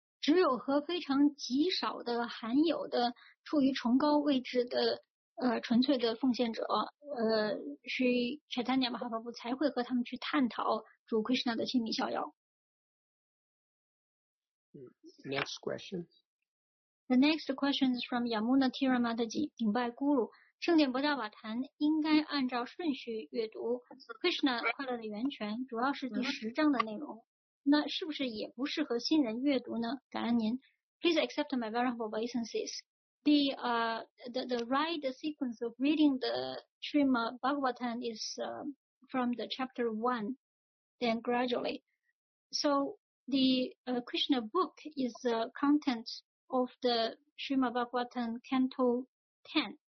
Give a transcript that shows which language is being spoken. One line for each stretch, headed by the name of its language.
Chinese: 只有和非常极少的、罕有的、处于崇高位置的、纯粹的奉献者、是 Chaitanya Mahaprabhu 才会和他们去探讨主 Krishna 的亲密逍遥。
English: Next question. The next question is from Yamuna Tiramataji, 顶拜 Guru.
Chinese: 圣典博达瓦坛应该按照顺序阅读 Krishna 快乐的源泉主要是第十章的内容，那是不是也不适合新人阅读呢？感恩您。
English: Please accept my very humble obeisances. The right sequence of reading the Srimad Bhagavatam is from the chapter 1 then gradually. So the Krishna book is the content of the Srimad Bhagavatam canto 10.